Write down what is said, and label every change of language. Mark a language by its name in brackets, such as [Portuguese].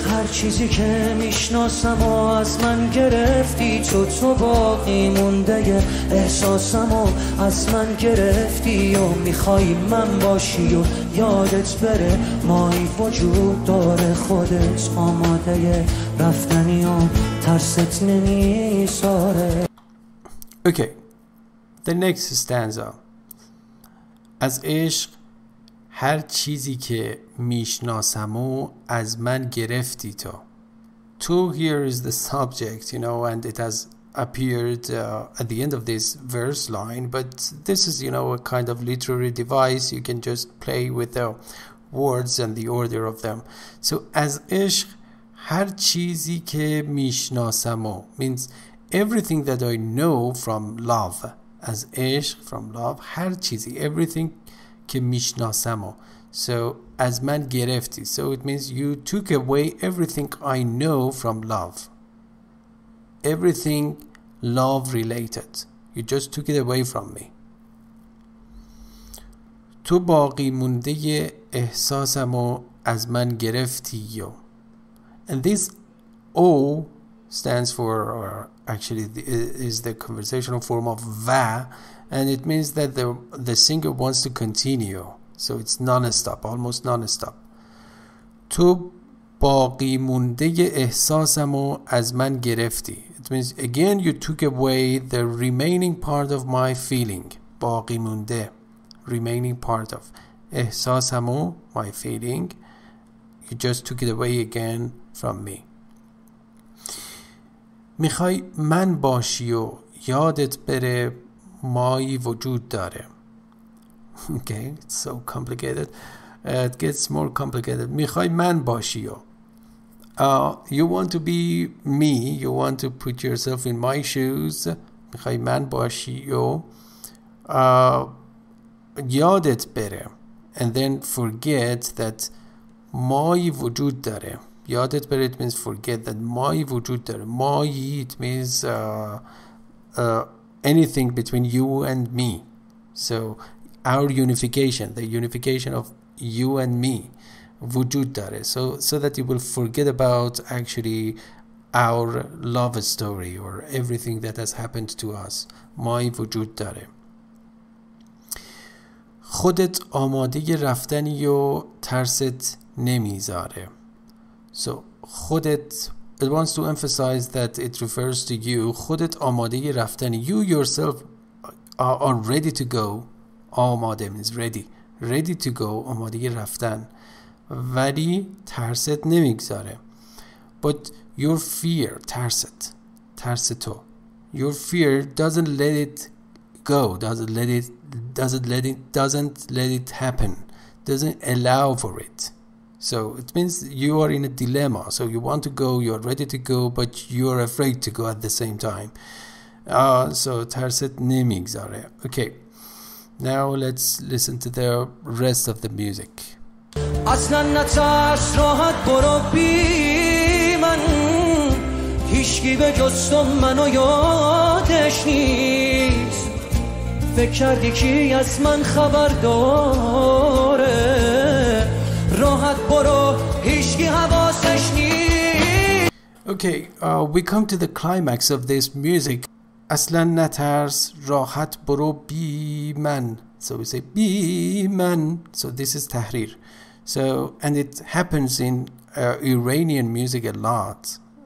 [Persian] چیزی که میشناسم و از من گرفتی تو, تو باقی مونده احساسم و از من گرفتی و میخوای من باشی و یادت بره مایی وجود داره خودت آماده رفتنی و ترست نمیساره. [English] Okay, the next stanza. [Persian] از عشق هر چیزی که میشناسم و از من گرفتی تو. [English] To here is the subject, you know, and it has appeared at the end of this verse line. But this is, you know, a kind of literary device. You can just play with the words and the order of them. So [Persian] as ishq, har chizi ke mishnasamo [English] means everything that I know from love. [Persian] As ishq, [English] from love, [Persian] har chizi, [English] everything [Persian] ke mishnasamo. [English] So [Persian] as man gerefti, [English] so it means you took away everything I know from love. Everything love related. You just took it away from me. [Persian] تو باقی مونده احساسمو از من گرفتی یو. [English] And this O stands for, or actually is the conversational form of va, and it means that the singer wants to continue. So it's non-stop, almost non-stop. [Persian] تو باقی مونده احساسمو از من گرفتی. [English] It means, again, you took away the remaining part of my feeling. [Persian] باقی مونده, [English] remaining part of. [Persian] احساسمو, [English] my feeling. You just took it away again from me. [Persian] میخوای من باشی و یادت بره مایی وجود داره. [English] Okay, it's so complicated. It gets more complicated. [Persian] میخوای من باشی و. [English] You want to be me. You want to put yourself in my shoes. [Persian] میخوای من باشی و. یادت بره. [English] And then forget that [Persian] مایی وجود داره. یادت بره, [English] it means forget that [Persian] مایی وجود داره. مایی, [English] it means anything between you and me. So our unification, the unification of you and me, [Persian] وجود داره. [English] So that you will forget about actually our love story or everything that has happened to us. [Persian] مای وجود داره. خودت آماده رفتنی و ترست نمیذاره. [English] So [Persian] خودت, [English] it wants to emphasize that it refers to you. [Persian] خودت آماده رفتن. [English] You yourself are ready to go. آماده means ready. Ready to go, [Persian] آماده رفتن. ولی ترست نمیگذاره. [English] But your fear, [Persian] ترست. ترس تو. [English] Your fear doesn't let it go. Doesn't let it happen. Doesn't allow for it. So it means you are in a dilemma. So you want to go, you're ready to go, but you're afraid to go at the same time. [Persian] So ترست نمیگذاره. Okay. [English] Now let's listen to the rest of the music. [Persian] اصلا نترس راحت برو بی من هیشگی به جستم منو یادش نیست فکر کردی کی از من خبر داره راحت برو هیشگی حواسش نیست. [English] Okay, we come to the climax of this music. [Persian] اصلا نترس راحت برو بی من. [English] So we say [Persian] بی من. [English] So this is تحریر. So, and it happens in Iranian music a lot.